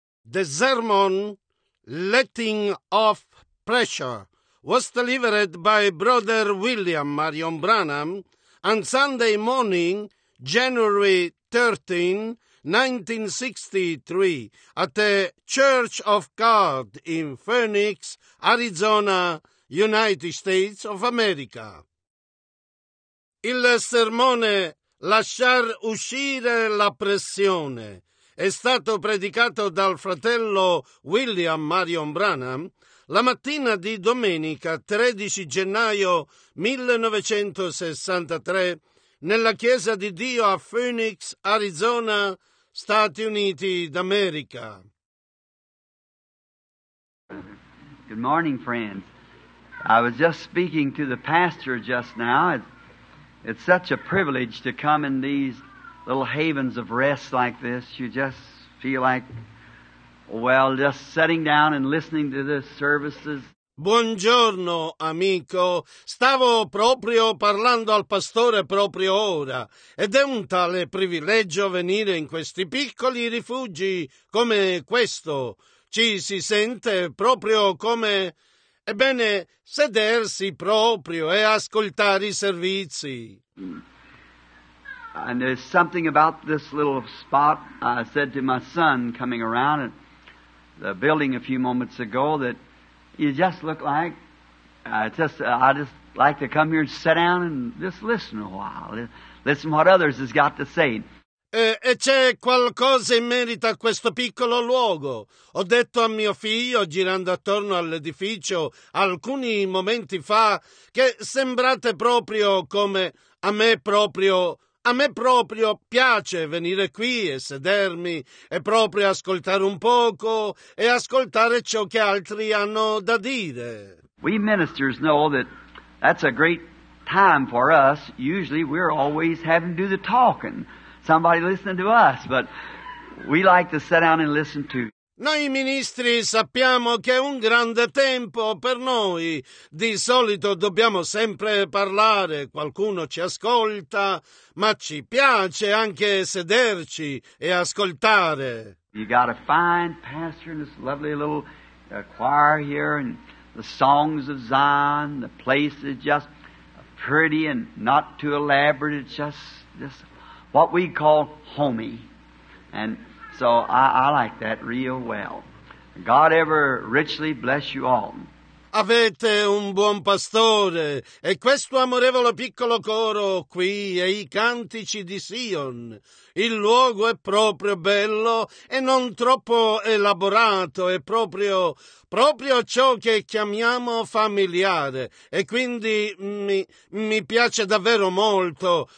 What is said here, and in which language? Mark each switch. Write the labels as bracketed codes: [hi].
[en] The sermon, Letting Off Pressure, was delivered by Brother William Marion Branham on Sunday morning, January 13, 1963, at the Church of God in Phoenix, Arizona, United States of America. [it] Il sermone Lasciar uscire la pressione è stato predicato dal fratello William Marion Branham la mattina di domenica 13 gennaio 1963 nella Chiesa di Dio a Phoenix, Arizona, Stati Uniti d'America. [en] Good morning, friends. I was just speaking to the pastor just now. It's such a privilege to come in these little havens of rest like this. You just feel like, well, just sitting down and listening to the services. [it] Buongiorno, amico. Stavo proprio parlando al pastore proprio ora. Ed è un tale privilegio venire in questi piccoli rifugi come questo. Ci si sente proprio come... Ebbene, sedersi proprio e ascoltare i servizi. [en] And there's something about this little spot. I said to my son coming around at the building a few moments ago that you just look like, I just like to come here and sit down and just listen a while. Listen what others has got to say. [it] E c'è qualcosa in merito a questo piccolo luogo. Ho detto a mio figlio, girando attorno all'edificio alcuni momenti fa, che sembrate proprio come a me proprio piace venire qui e sedermi e proprio ascoltare un poco e ascoltare ciò che altri hanno da dire. [en] We ministers know that's a great time for us. Usually we're always having to do the talking. Somebody listening to us, but we like to sit down and listen to. [it] Noi ministri sappiamo che è un grande tempo per noi. Di solito dobbiamo sempre parlare, qualcuno ci ascolta, ma ci piace anche sederci e ascoltare. [en] You got a fine pastor in this lovely little choir here, and the songs of Zion, the place is just pretty and not too elaborate, it's just what we call homey. And so I like that real well. God ever richly bless you all. [it] Avete un buon pastore e questo amorevole piccolo coro qui e i cantici di Sion. Il luogo è proprio bello e non troppo elaborato, è proprio ciò che chiamiamo familiare e quindi mi piace davvero molto.